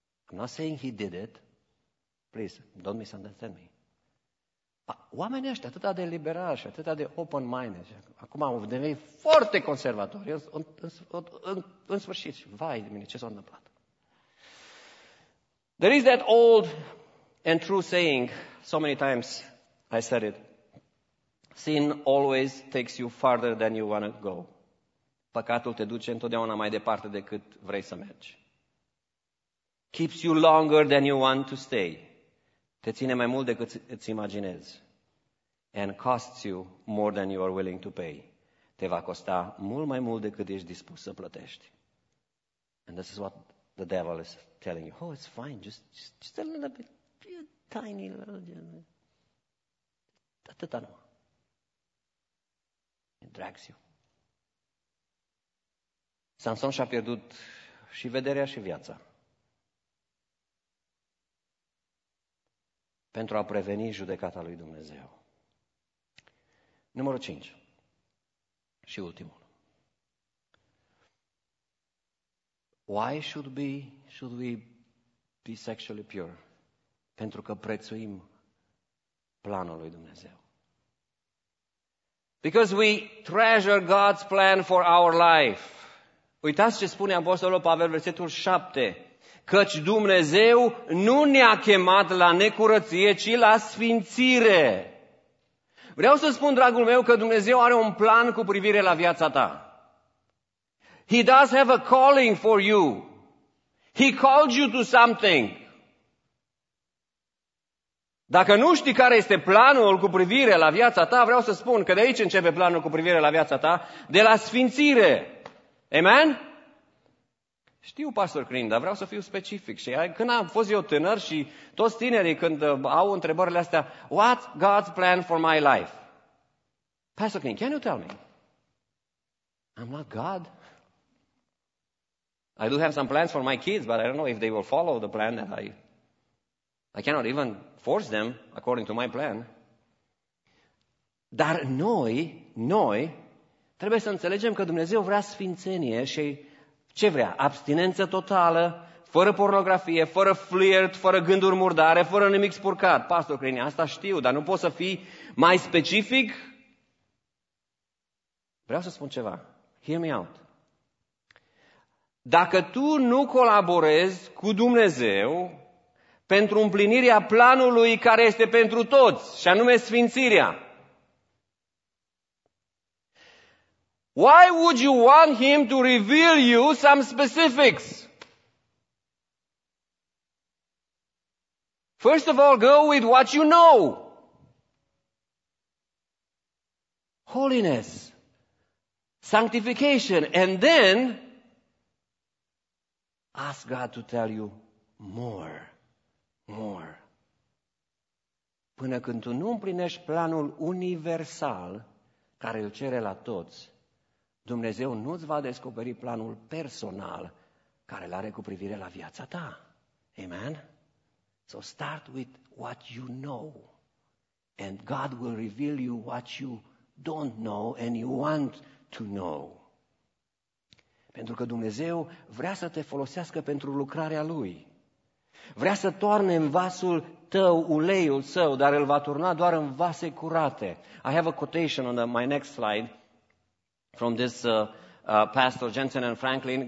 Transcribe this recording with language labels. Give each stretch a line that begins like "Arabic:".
English: I'm not saying he did it. Please, don't misunderstand me.
Romanian: But oamenii ăștia atât de liberali și atât de open-minded, acum au devenit foarte conservatori, în sfârșit, vai de mine, ce s-a întâmplat?
English: There is that old and true saying, so many times I said it, sin always takes you farther than you want to go.
Romanian: Păcatul te duce întotdeauna mai departe decât vrei să mergi.
English: Keeps you longer than you want to stay.
Romanian: Te ține mai mult decât îți imaginezi.
English: And costs you more than you are willing to pay.
Romanian: Te va costa mult mai mult decât ești dispus să plătești.
English: And this is what the devil is telling you. Oh, it's fine. Just a little bit. A tiny little.
Romanian: Atâta nu.
English: It drags you.
Romanian: Samson și-a pierdut și vederea și viața. Pentru a preveni judecata lui Dumnezeu. Numărul 5. Și ultimul.
English: Why should we be sexually pure?
Romanian: Pentru că prețuim planul lui Dumnezeu.
English: Because we treasure God's plan for our life.
Romanian: Uitați ce spune Apostolul Pavel, versetul 7. Căci Dumnezeu nu ne-a chemat la necurăție, ci la sfințire. Vreau să spun, dragul meu, că Dumnezeu are un plan cu privire la viața ta.
English: He does have a calling for you. He called you to something.
Romanian: Dacă nu știi care este planul cu privire la viața ta, vreau să spun că de aici începe planul cu privire la viața ta, de la sfințire. Amen? Știu, pastor Crin, dar vreau să fiu specific. Și când am fost eu tânăr și toți tinerii când au întrebările astea,
English: what's God's plan for my life? Pastor Crin, can you tell me? I'm not God. I do have some plans for my kids, but I don't know if they will follow the plan that I cannot even force them according to my plan.
Romanian: Dar noi, trebuie să înțelegem că Dumnezeu vrea sfințenie și ce vrea? Abstinență totală, fără pornografie, fără flirt, fără gânduri murdare, fără nimic spurcat. Pastor Crini, asta știu, dar nu pot să fii mai specific? Vreau să spun ceva.
English: Hear me out.
Romanian: Dacă tu nu colaborezi cu Dumnezeu pentru împlinirea planului care este pentru toți, și anume sfințirea.
English: Why would you want him to reveal you some specifics? First of all, go with what you know. Holiness, sanctification, and then ask God to tell you more.
Romanian: Până când tu nu împlinești planul universal care îl cere la toți, Dumnezeu nu-ți va descoperi planul personal care l-are cu privire la viața ta. Amen?
English: So start with what you know. And God will reveal you what you don't know and you want to know.
Romanian: Pentru că Dumnezeu vrea să te folosească pentru lucrarea Lui. Vrea să toarne în vasul tău uleiul său, dar îl va turna doar în vase curate.
English: I have a quotation on my next slide from this pastor Jensen and Franklin.